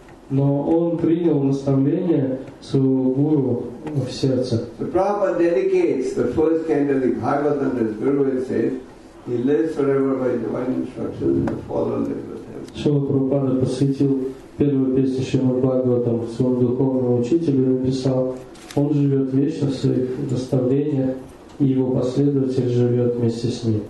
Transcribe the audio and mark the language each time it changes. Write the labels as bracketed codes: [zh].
[ru] Но он принял наставление своего гуру в сердце. [en] So Prabhupada dedicates the first canto of the Bhagavatam to his guru and says, he lives forever by divine instructions and the follower lives with him. [ru] Шрила Прабхупада посвятил первую песню Шримад Бхагаватам своему духовному учителю и написал: он живет вечно в своих наставлениях, и его последователь живет вместе с ним.